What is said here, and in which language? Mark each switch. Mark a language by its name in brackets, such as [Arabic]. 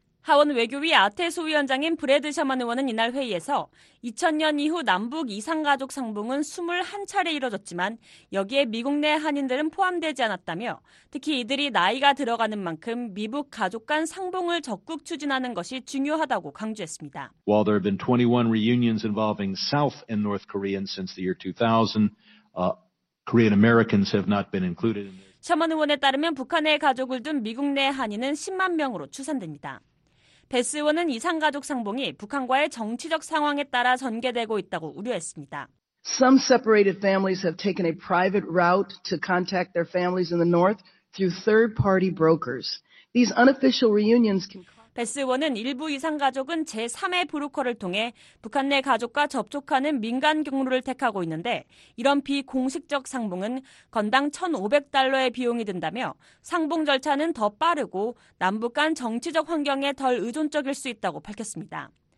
[Korean] 하원 외교위 아테소 위원장인 브래드 셔먼 의원은 이날 회의에서 2000년 이후 남북 이산가족 상봉은 21차례 이뤄졌지만 여기에 미국 내 한인들은 포함되지 않았다며 특히 이들이 나이가 들어가는 만큼 미북 가족 간 상봉을 적극 추진하는 것이 중요하다고 강조했습니다. [English] While there have been 21 reunions involving South and North Koreans since the year 2000, Korean Americans have not been included. [Korean] 셔먼 의원에 따르면 북한의 가족을 둔 미국 내 한인은 10만 명으로 추산됩니다. 베스 의원은 이산가족 상봉이 북한과의 정치적 상황에 따라 전개되고 있다고 우려했습니다. [English] Some separated families have taken a private route to contact their families in the north through third-party brokers. These unofficial reunions can. [Korean] 베스 의원은 일부 이산가족은 제3의 브로커를 통해 북한 내 가족과 접촉하는 민간 경로를 택하고 있는데 이런 비공식적 상봉은 건당 $1,500의 비용이 든다며 상봉 절차는 더 빠르고 남북 간 정치적 환경에 덜 의존적일 수 있다고 밝혔습니다.